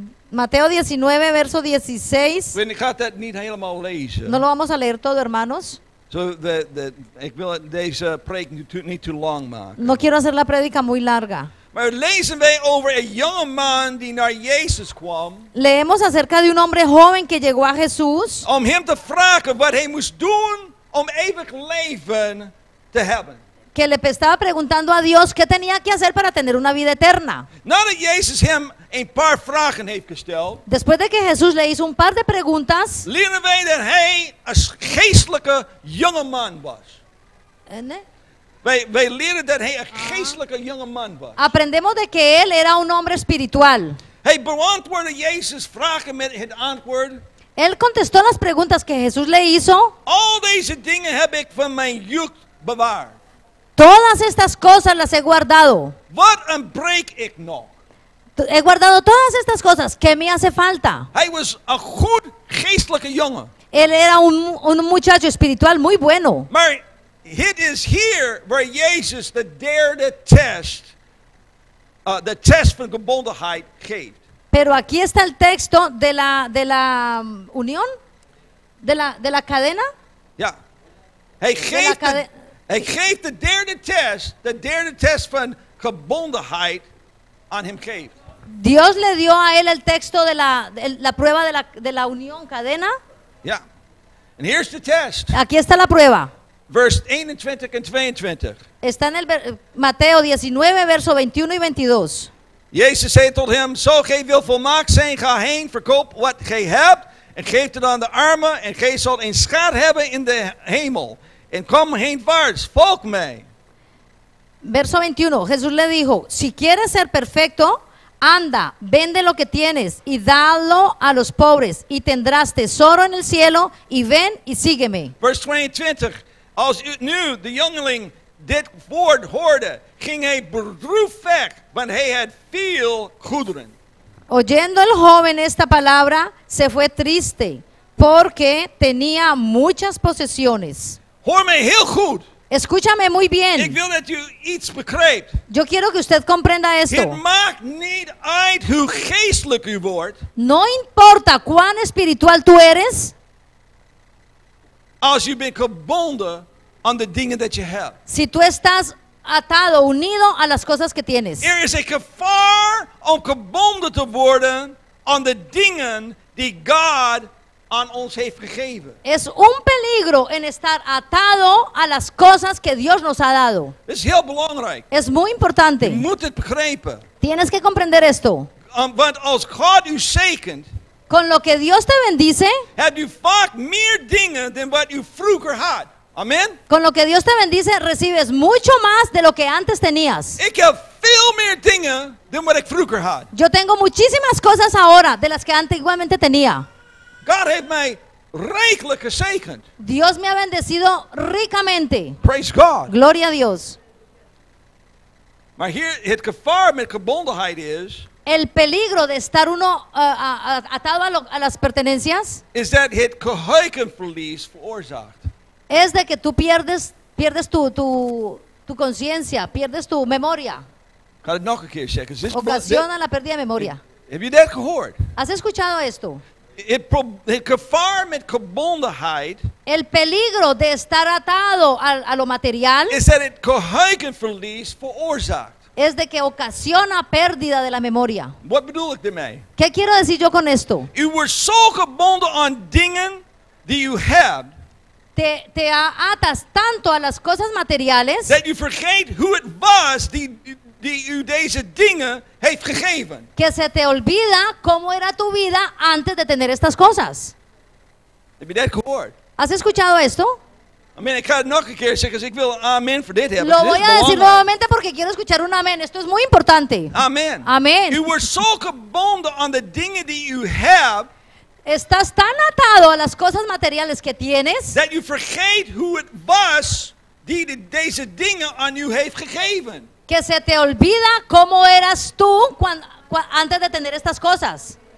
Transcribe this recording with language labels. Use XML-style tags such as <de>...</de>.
<es>Mateo 19, verso 16.</es> <nl>Bueno, ik ga dat niet helemaal lezen.</nl> <es>No lo vamos a leer todo, hermanos.</es> <nl>So ik wil deze preek niet te lang maken.</nl> <es>No quiero hacer la predica muy larga.</es> <nl>Maar lezen wij over een jonge man die naar Jezus kwam.</nl> <es>Leemos acerca de un hombre joven que llegó a Jesús.</es> <nl>Om hem te vragen wat hij moest doen om eeuwig leven te hebben.</nl> <es>Que le estaba preguntando a Dios qué tenía que hacer para tener una vida eterna.</es> <nl>Nadat Jezus hem een paar vragen heeft gesteld.</nl> <es>Después de que Jesús le hizo un par de preguntas.</es> <nl>Leren wij dat hij een geestelijke jonge man was. Wij leren dat hij een geestelijke jonge man was.</nl> <es>Aprendemos de que él era un hombre espiritual.</es> <nl>Hij beantwoordde Jezus vragen met het antwoord.</nl> <es>Él contestó las preguntas que Jesús le hizo.</es> <nl>Al deze dingen heb ik van mijn jeugd bewaard.</nl> <es>Todas estas cosas las he guardado. What a break ik nog. He guardado todas estas cosas. ¿Qué me hace falta?</es> <nl>Hij was een goed geestelijke jongen.</nl> <es>Él era un muchacho espiritual muy bueno.</es> <nl>Maar het is hier waar Jezus de derde test, de test van gebondenheid geeft.</nl> <es>Pero aquí está el texto de la unión, de la cadena.</es> <nl>Ja. Hij geeft Hij geeft de derde test van gebondenheid aan hem geeft.</nl> <es>Dios le dio a él el texto de la prueba de la unión cadena.</es> <en>Ja. Yeah. And here's the test.</en> <es>Aquí está la prueba.</es> <en>Verse 21 and 22.</en> <es>Está en el Mateo 19, verso 21 y 22.</es> <nl>Jezus zei tot hem, zo gij wil volmaakt zijn, ga heen, verkoop wat gij hebt, en geef het aan de armen, en gij zult een schat hebben in de hemel. En kom heenwaarts, volg mij.</nl> <es>Verso 21, Jesús le dijo, si quieres ser perfecto, anda, vende lo que tienes y dalo a los pobres y tendrás tesoro en el cielo y ven y sígueme.</es> <en>Verse 22,</en> <nl>als u nu de jongeling dit woord hoorde, ging hij bedroefd weg, want hij had veel goederen.</nl> <es>Oyendo el joven esta palabra, se fue triste, porque tenía muchas posesiones.</es> <nl>Hoor mij heel goed.</nl> <es>Escúchame muy bien.</es> <nl>Ik wil dat u iets begrijpt.</nl> <es>Yo quiero que usted comprenda esto.</es> <nl>Het maakt niet uit hoe geestelijk u wordt.</nl> <es>No importa cuán espiritual tú eres.</es> <nl>Als je bent gebonden aan de dingen dat je hebt.</nl> <es>Si tú estás atado, unido a las cosas que tienes.</es> <nl>Er is een gevaar om gebonden te worden aan de dingen die God aan ons heeft gegeven.</nl> <es>Es un peligro en estar atado a las cosas que Dios nos ha dado.</es> <nl>Is heel belangrijk.</nl> <es>Es muy importante.</es> <nl>Je moet het begrijpen.</nl> <es>Tienes que comprender esto.</es> <nl>Want als God u zegent.</nl> <es>Con lo que Dios te bendice.</es> <nl>Heb je vaak meer dingen dan wat u vroeger had. Amen.</nl> <es>Con lo que Dios te bendice recibes mucho más de lo que antes tenías.</es> <nl>Ik heb veel meer dingen dan wat ik vroeger had.</nl> <es>Yo tengo muchísimas cosas ahora de las que antiguamente tenía.</es> <nl>God heeft mij rijkelijk gezegend.</nl> <es>Dios me ha bendecido ricamente.</es> <en>Praise God.</en> <es>Gloria a Dios.</es> <nl>Maar hier het gevaar met gebondenheid is.</nl> <es>El peligro de estar uno atado a las pertenencias.</es> <nl>Is dat het geheugenverlies veroorzaakt.</nl> <es>Es de que tú pierdes tu conciencia, pierdes tu memoria.</es> <nl>Ik ga het nog een keer zeggen.</nl> <es>Ocasiona la pérdida de memoria.</es> <nl>Heb je dat gehoord?</nl> <es>Has escuchado esto?</es> <nl>Het gevaar met gebondenheid.</nl> <es>El peligro de estar atado a lo material.</es> <nl>Is dat het geheugenverlies veroorzaakt.</nl> <es>Es de que ocasiona pérdida de la memoria.</es> <nl>Wat bedoel ik daarmee?</nl> <es>¿Qué quiero decir yo con esto?</es> <nl>U wordt zo gebonden aan dingen die u hebt.</nl> <es>Te atas tanto a las cosas materiales.</es> <nl>Dat u vergeet hoe het was die u deze dingen heeft gegeven.</nl> <es>Que se te olvida cómo era tu vida antes de tener estas cosas.</es> <nl>Heb je dat gehoord?</nl> <es>¿Has escuchado esto? Amén.</es> <nl>Ik ga het nog een keer zeggen, ik wil een amen voor dit hebben.</nl> <es>Lo voy a decir nuevamente porque quiero escuchar un amén. Esto es muy importante. Amén. Amén.</es> <en>You were so</en> <nl>gebonden</nl> <en>on the</en> <nl>dingen die</nl> <en>you have.</en> <es>Estás tan atado a las cosas materiales que tienes.</es> <en>That you forget who it was</en> <nl>die deze dingen aan u heeft gegeven.</nl> <es>Que se te olvida cómo eras tú cuando antes de tener estas cosas.</es>